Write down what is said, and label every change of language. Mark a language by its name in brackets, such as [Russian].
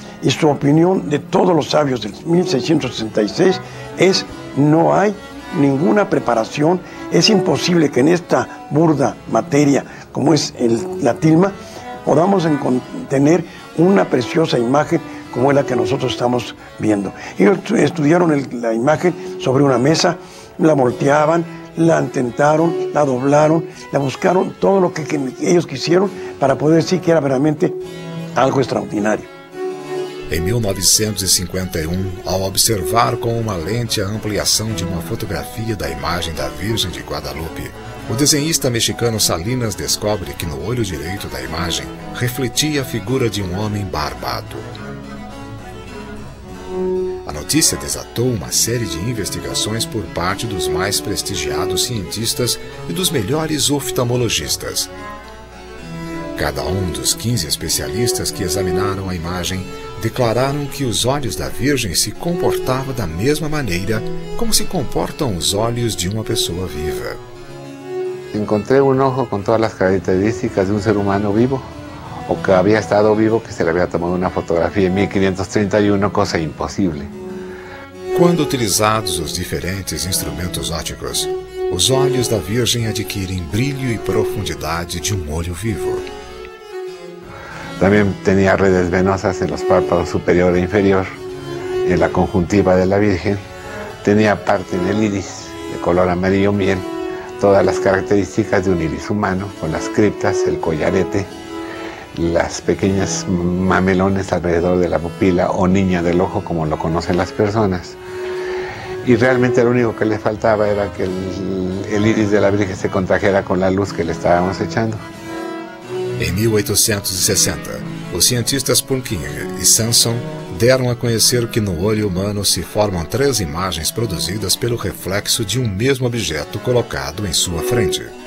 [Spanish] Y su opinión de todos los sabios del 1666 es: no hay ninguna preparación, es imposible que en esta burda materia como es la tilma podamos tener una preciosa imagen como es la que nosotros estamos viendo. Ellos estudiaron la imagen sobre una mesa, la volteaban, la intentaron, la doblaron, la buscaron, todo lo que ellos quisieron para poder decir que era verdaderamente algo extraordinario. [Portuguese] Em 1951, ao observar com uma lente a ampliação de uma fotografia da imagem da Virgem de Guadalupe, o desenhista mexicano Salinas descobre que no olho direito da imagem refletia a figura de um homem barbado. A notícia desatou uma série de investigações por parte dos mais prestigiados cientistas e dos melhores oftalmologistas. Cada um dos 15 especialistas que examinaram a imagem declararam que os olhos da Virgem se comportavam da mesma maneira como se comportam os olhos de uma pessoa viva. Encontrei um ojo com todas as características de um ser humano vivo, ou que havia estado vivo, que se havia tomado uma fotografia em 1531, coisa impossível. Quando utilizados os diferentes instrumentos óticos, os olhos da Virgem adquirem brilho e profundidade de um olho vivo. [Spanish] También tenía redes venosas en los párpados superior e inferior, en la conjuntiva de la Virgen. Tenía parte en el iris, de color amarillo miel, todas las características de un iris humano, con las criptas, el collarete, las pequeñas mamelones alrededor de la pupila o niña del ojo, como lo conocen las personas. Y realmente lo único que le faltaba era que el iris de la Virgen se contrajera con la luz que le estábamos echando. [Portuguese] Em 1860, os cientistas Purkinje e Sanson deram a conhecer que no olho humano se formam três imagens produzidas pelo reflexo de um mesmo objeto colocado em sua frente.